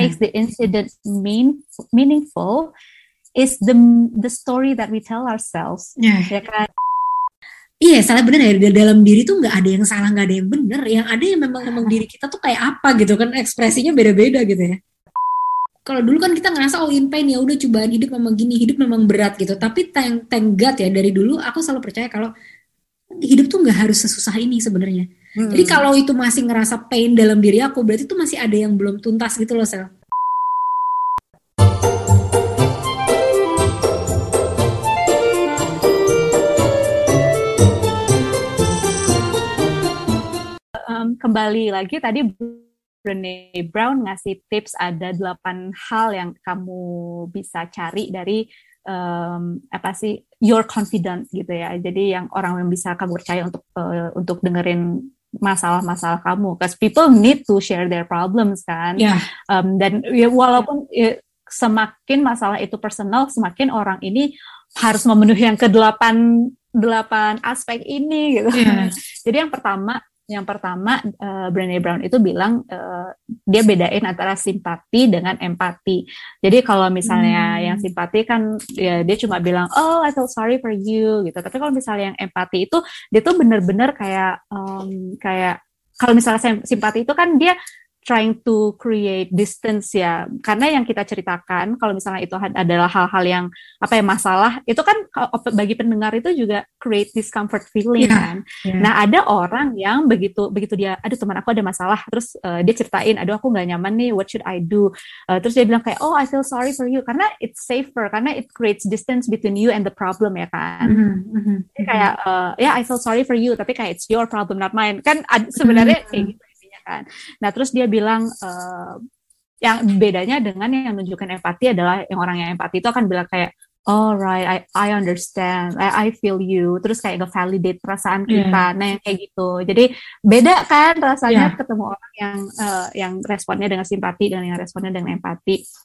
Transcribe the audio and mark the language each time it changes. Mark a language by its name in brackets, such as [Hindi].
[English] makes the incident mean meaningful is the story that we tell ourselves. Ya. [Indonesian] Ya kan? Iya, salah benar ya. Dalam diri tuh nggak ada yang salah, nggak ada yang benar. Yang ada yang memang memang diri kita tuh kayak apa gitu kan, ekspresinya beda-beda gitu ya. Kalau dulu kan kita ngerasa oh [English] in pain, [Indonesian] ya udah cobaan hidup memang gini, hidup memang berat gitu. Tapi [English] thank God [Indonesian] ya, dari dulu aku selalu percaya kalau hidup tuh nggak harus sesusah ini sebenarnya. Jadi kalau itu masih ngerasa pain dalam diri aku, berarti itu masih ada yang belum tuntas gitu loh, Sel. Kembali lagi tadi Brené Brown ngasih tips ada 8 hal yang kamu bisa cari dari apa sih [English] your confidence [Indonesian] gitu ya. Jadi yang orang yang bisa kamu percaya untuk dengerin masalah-masalah kamu. [English] Because people need to share their problems kan. Ya. Yeah. [Indonesian] Dan walaupun semakin masalah itu personal, semakin orang ini harus memenuhi yang ke-8 8 aspek ini gitu. Yeah. Jadi yang pertama Brené Brown itu bilang dia bedain antara simpati dengan empati. Jadi kalau misalnya yang simpati kan ya dia cuma bilang oh [English] I feel sorry for you [Indonesian] gitu. Tapi kalau misalnya yang empati itu dia tuh bener-bener kayak kayak kalau misalnya simpati itu kan dia [English] trying to create distance [Indonesian] ya. Karena yang kita ceritakan kalau misalnya itu adalah hal-hal yang apa ya masalah itu kan bagi pendengar itu juga [English] create discomfort feeling Ya. [Indonesian] kan. Nah, ada orang yang begitu begitu dia aduh teman aku ada masalah terus dia ceritain aduh aku nggak nyaman nih [English] what should I do. [Indonesian] Terus dia bilang kayak oh [English] I feel sorry for you [Indonesian] karena [English] it's safer karena it creates distance between you and the problem [Indonesian] ya kan. Jadi kayak [English] yeah I feel sorry for you [Indonesian] tapi kayak [English] it's your problem not mine. [Indonesian] Kan sebenarnya kayak gitu. Kan. Nah, terus dia bilang yang bedanya dengan yang menunjukkan empati adalah yang orang yang empati itu akan bilang kayak [English] alright, I understand. I feel you. [Indonesian] Terus kayak nge-validate perasaan kita. Nah, yang kayak gitu. Jadi beda kan rasanya ketemu orang yang responnya dengan simpati dan yang responnya dengan empati.